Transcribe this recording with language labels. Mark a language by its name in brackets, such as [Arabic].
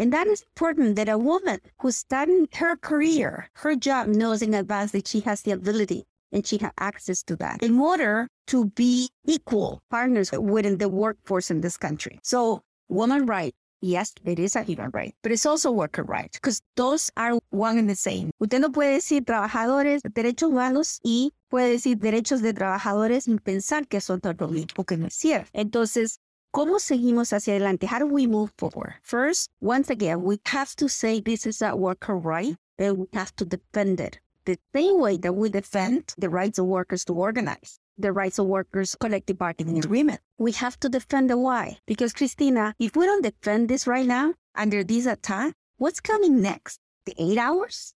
[English] And that is important, that a woman who's starting her career, her job, knows in advance that she has the ability and she has access to that in order to be equal partners within the workforce in this country. So woman right. Yes, it is a human right, but it's also worker right, because those are one and the same. [Spanish] Usted no puede decir trabajadores, derechos humanos, y puede decir derechos de trabajadores y pensar que son todo lo mismo que no es cierto. Entonces, ¿cómo seguimos hacia adelante? [English] How do we move forward? First, once again, we have to say this is a worker right, and we have to defend it the same way that we defend the rights of workers to organize, the rights of workers' collective bargaining agreement. We have to defend the why. Because, Christina, if we don't defend this right now under this attack, what's coming next? The 8 hours?